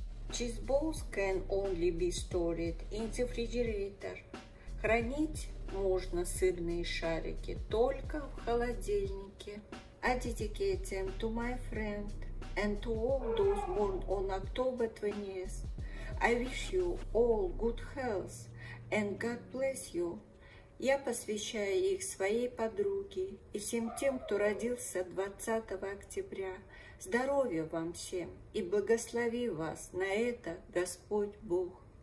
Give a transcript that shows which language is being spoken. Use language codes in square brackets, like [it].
[en] Cheese balls can only be stored in the refrigerator. [ru] Хранить можно сырные шарики только в холодильнике. [en] I dedicate them to my friend and to all those born on October 20th. I wish you all good health and God bless you. [ru] Я посвящаю их своей подруге и всем тем, кто родился 20 октября. Здоровья вам всем и благослови вас на это Господь Бог.